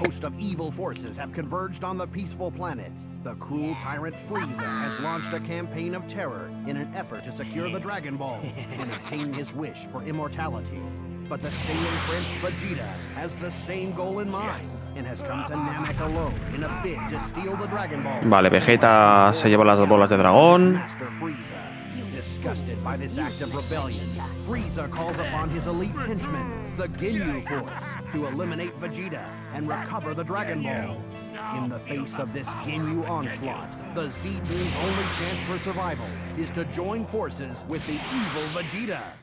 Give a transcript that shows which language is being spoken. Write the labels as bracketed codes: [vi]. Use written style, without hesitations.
[en] Host of evil forces have converged on the peaceful planet. The cruel tyrant Frieza has launched a campaign of terror in an effort to secure the Dragon Balls and obtain his wish for immortality. But the Saiyan Prince Vegeta has the same goal in mind and has come to Namek alone in a bid to steal the Dragon Balls. [es] Vale, Vegeta se lleva las bolas de dragón. [en] Disgusted by this act of rebellion, Frieza calls upon his elite henchmen, the Ginyu Force, to eliminate Vegeta and recover the Dragon Balls. In the face of this Ginyu onslaught, the Z Team's only chance for survival is to join forces with the evil Vegeta.